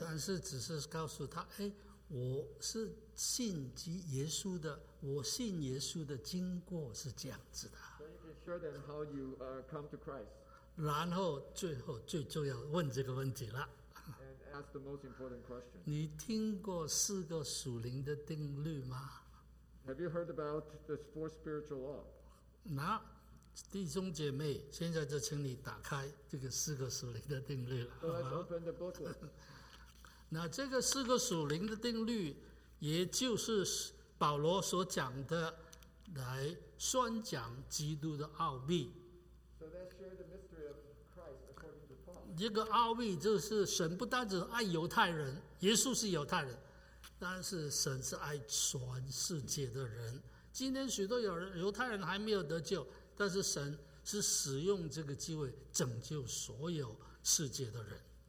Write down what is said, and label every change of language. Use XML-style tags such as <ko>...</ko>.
<zh>但是只是告诉他，哎，我是信耶稣的，我信耶稣的经过是这样子的。</zh> <en>So you can share them how you come to Christ.</en> <zh>然后最后最重要问这个问题了。</zh> <en>And ask the most important question.</en> <zh>你听过四个属灵的定律吗？</zh> <en>Have you heard about the four spiritual law?</en> <zh>那弟兄姐妹，现在就请你打开这个四个属灵的定律了。</zh> <en>So let's open the booklet.</en> <zh>那这个四个属灵的定律，也就是保罗所讲的，来宣讲基督的奥秘。</zh> <en>So let's share the mystery of Christ according to Paul.</en> <zh>这个阿维就是神不单只爱犹太人，耶稣是犹太人，但是神是爱全世界的人。今天许多犹太人还没有得救，但是神是使用这个机会拯救所有世界的人。</zh>